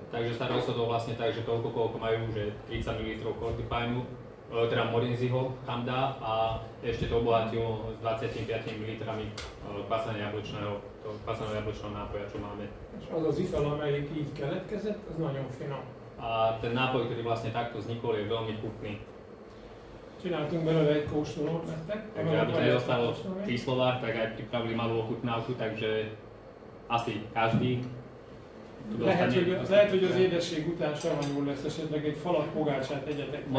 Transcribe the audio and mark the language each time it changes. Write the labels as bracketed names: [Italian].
[Slovak] Takže sa rozhodol vlastne tak, že toľko, koľko majú, že 30 ml kortipajnu, teda morénziho tam dá a ešte to obohatil s 25 ml kvasaného jablčného nápoja, čo máme. [Hungarian] Az az ital, amelyik így keletkezett, az nagyon finom. [Slovak] A ten nápoj, ktorý vlastne takto vznikol, je veľmi chutný. [Hungarian] Čináltunk belőle egy kóstolót nektek. [Slovak] Takže aby to nedostalo kyslovár, tak aj pripravili malú ochutnávku, takže asi každý. [Hungarian] Lehet, hogy az édesség után savanyúl lesz, esetleg egy falat pogácsát egyetek.